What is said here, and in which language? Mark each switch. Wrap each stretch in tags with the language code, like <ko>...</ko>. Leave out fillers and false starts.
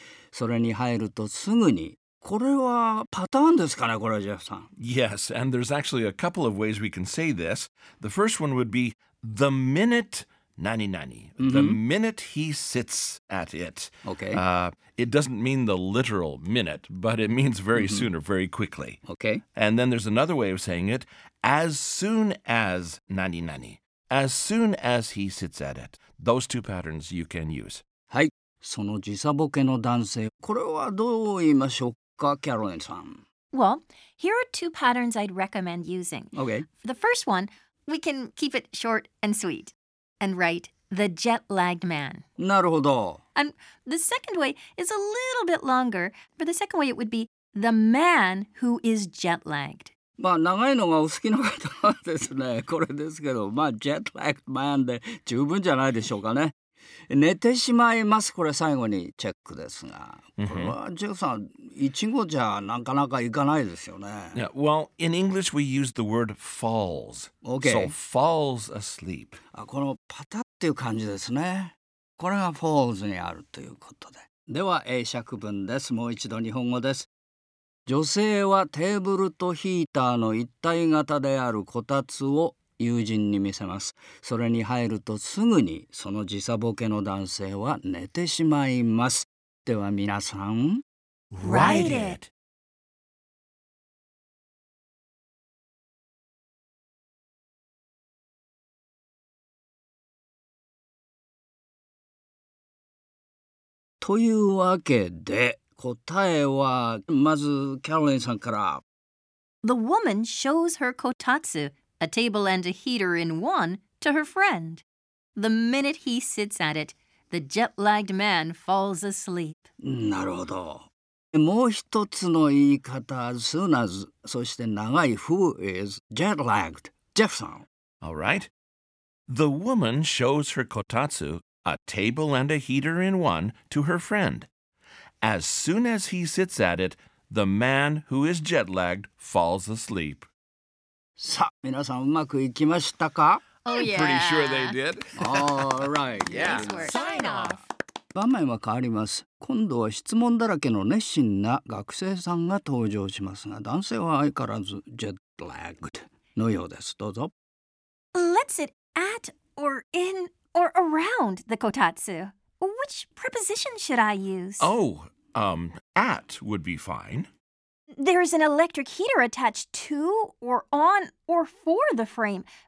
<ja>それに入るとすぐに、これはパターンですかね、これジェフさん。</ja> <en>Yes, and there's actually a couple of ways we can say this. The first one would be the minute 99, the minute he sits at it. Okay. It doesn't mean the literal minute, but it means very soon or very quickly. Okay. And then there's another way of saying it, as soon as 99, as soon as he sits at it. Those two patterns you can use.</en> <ja>はい、その時差ボケの男性、これはどう言いましょうか。</ja> <en>Well, here are two patterns I'd recommend using. Okay. The first one, we can keep it short and sweet and write the jet-lagged man.</en> <ja>なるほど。</ja> <en>And the second way is a little bit longer. For the second way, it would be the man who is jet-lagged.</en> <ja>まあ長いのがお好きな方はですね、これですけど、まあ</ja> <en>jet-lagged man</en> <ja>で十分じゃないでしょうかね。寝てしまいます。これ最後にチェックですが、これはジェフさん、イチゴじゃなかなかいかないですよね。</ja> <en>Yeah, well, in English we use the word falls. Okay. So falls asleep.</en> <ja>あ、このパタっていう感じですね。これが falls にあるということで。では英釈文です。もう一度日本語です。女性はテーブルとヒーターの一体型であるこたつを友人に見せます。それに入るとすぐにその時差ボケの男性は寝てしまいます。では皆さん、</ja> <en>Write it!</en> <ja>というわけで、答えはまずキャロリンさんから。</ja> <en>The woman shows her kotatsu. A table and a heater in one to her friend. The minute he sits at it, the jet-lagged man falls asleep.</en> <ja>なるほど。もう一つの言い方、</ja> <en>soon as,</en> <ja>そして長い</ja> <en>who is jet-lagged.</en> <ja>Jeffson.</ja> <en>All right. The woman shows her kotatsu, a table and a heater in one, to her friend. As soon as he sits at it, the man who is jet-lagged falls asleep.</en> <ja>さあ、皆さんうまくいきましたか?</ja> <en>Oh, yeah. Pretty sure they did. All right. Yeah. Sign off.</en> <ja>場面は変わります。今度は質問だらけの熱心な学生さんが登場しますが、男性は相変わらず jet lagged のようです。どうぞ。</ja> <en>Let's sit at or in or around the kotatsu. Which preposition should I use? At would be fine. There is an electric heater attached to, or on, or for the frame.</en>